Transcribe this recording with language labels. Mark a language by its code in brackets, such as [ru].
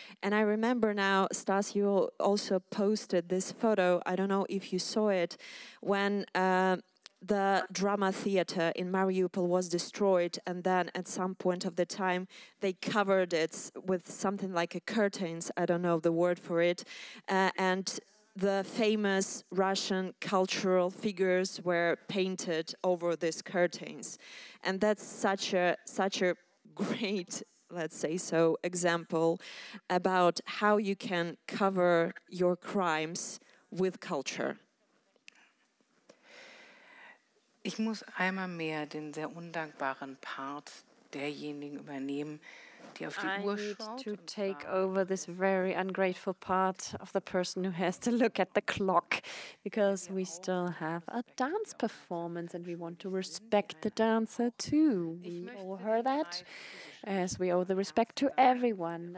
[en] And I remember now, Stas, you also posted this photo, I don't know if you saw it, when the drama theater in Mariupol was destroyed, and then at some point of the time they covered it with something like a curtains, I don't know the word for it, and the famous Russian cultural figures were painted over these curtains. And that's such a great, let's say so, example about how you can cover your crimes with culture. [de] Ich muss einmal mehr den sehr undankbaren Part derjenigen übernehmen, die auf die Uhr schaut. [en] I need to take over this very ungrateful part of the person who has to look at the clock, because we still have a dance performance and we want to respect the dancer too. We all heard that, as we owe the respect to everyone.